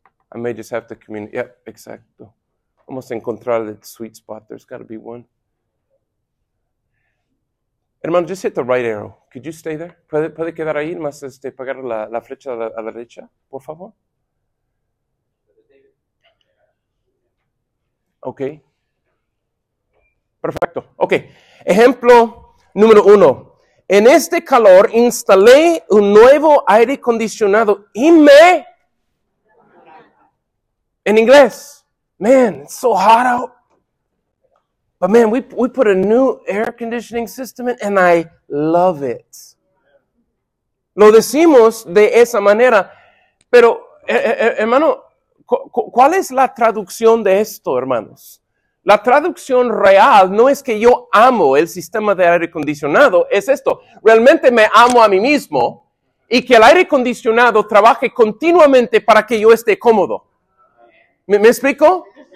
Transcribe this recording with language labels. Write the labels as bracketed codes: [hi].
[en] I may just have to communicate. Yep, exacto. [es] Vamos a encontrar el sweet spot. [en] There's got to be one. Hermano, just hit the right arrow. Could you stay there? [es] ¿Puede quedar ahí? Más pagar la flecha a la derecha, por favor. Ok. Perfecto. Ok. Ejemplo número uno. En este calor instalé un nuevo aire acondicionado y me... En inglés. [en] Man, it's so hot out. But man, we put a new air conditioning system in and I love it. [es] Lo decimos de esa manera. Pero, hermano, ¿cuál es la traducción de esto, hermanos? La traducción real no es que yo amo el sistema de aire acondicionado, es esto. Realmente me amo a mí mismo y que el aire acondicionado trabaje continuamente para que yo esté cómodo. ¿Me explico?